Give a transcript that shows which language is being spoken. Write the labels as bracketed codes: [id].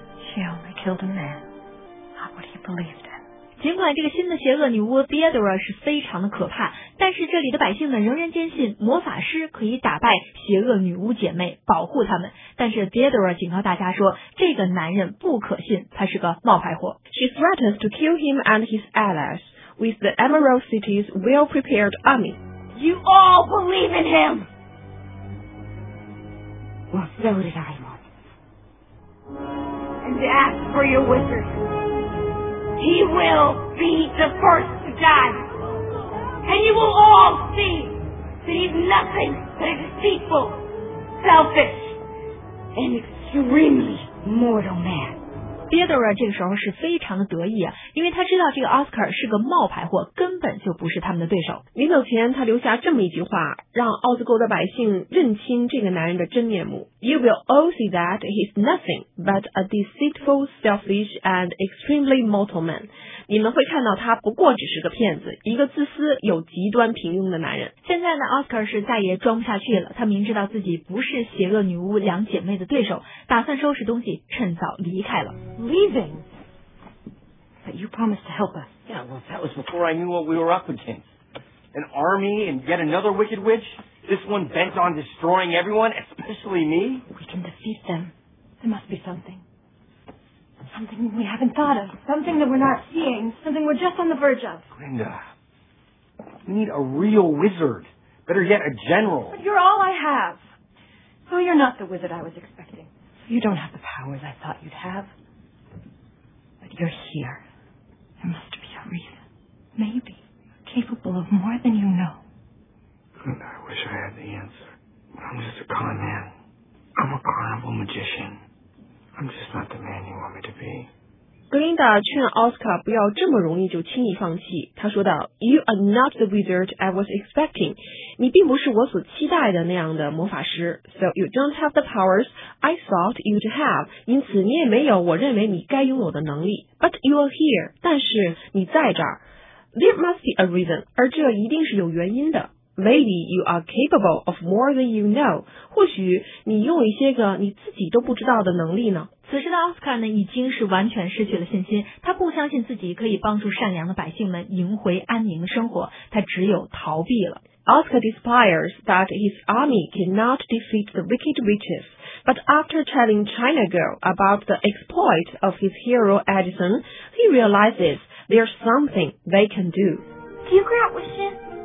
[en] She only killed a man, not what he believed in. [zh] 尽管这个新的邪恶女巫 Theodora 是非常的可怕，但是这里的百姓们仍然坚信魔法师可以打败邪恶女巫姐妹，保护他们。但是 Theodora 警告大家说，这个男人不可信，他是个冒牌货。 [en] She threatens to kill him and his allies with the Emerald City's well-prepared army. You all believe in him! Well, so did I. To ask for your wizard. He will be the first to die. And you will all see that he's nothing but a deceitful, selfish, and extremely mortal man. [zh] Theodora 这个时候是非常的得意啊，因为他知道这个 Oscar 是个冒牌货，根本就不是他们的对手。临走前他留下这么一句话，让奥兹国的百姓认清这个男人的真面目。 [en] You will all see that he's nothing but a deceitful, selfish and extremely mortal man. [zh] 你们会看到他不过只是个骗子，一个自私又极端平庸的男人。现在呢 Oscar 是再也装不下去了，他明知道自己不是邪恶女巫两姐妹的对手，打算收拾东西趁早离开了。 [en] Leaving? But you promised to help us. Yeah, well, that was before I knew what we were up against. An army and yet another wicked witch? This one bent on destroying everyone, especially me? We can defeat them. There must be something. Something we haven't thought of. Something that we're not seeing. Something we're just on the verge of. Glinda, we need a real wizard. Better yet, a general. But you're all I have. So you're not the wizard I was expecting. You don't have the powers I thought you'd have. You're here. There must be a reason. Maybe you're capable of more than you know. Glinda, I wish I had the answer. But I'm just a con man. I'm a carnival magician. I'm just not the man you want me to be. [zh] Glinda 劝 Oscar 不要这么容易就轻易放弃。她说道 [en] You are not the wizard I was expecting. [zh] 你并不是我所期待的那样的魔法师。 [en] So you don't have the powers I thought you'd have. [zh] 因此你也没有我认为你该拥有的能力。 [en] But you are here. [zh] 但是你在这儿。 [en] There must be a reason. [zh] 而这一定是有原因的。 [en] Maybe you are capable of more than you know. [zh] 或许你拥有一些个你自己都不知道的能力呢。此时的奥斯卡呢，已经是完全失去了信心。他不相信自己可以帮助善良的百姓们赢回安宁的生活，他只有逃避了。 [en] Oscar despairs that his army cannot defeat the wicked witches. But after telling China Girl about the exploit of his hero Edison, he realizes there's something they can do. Do you grant wishes?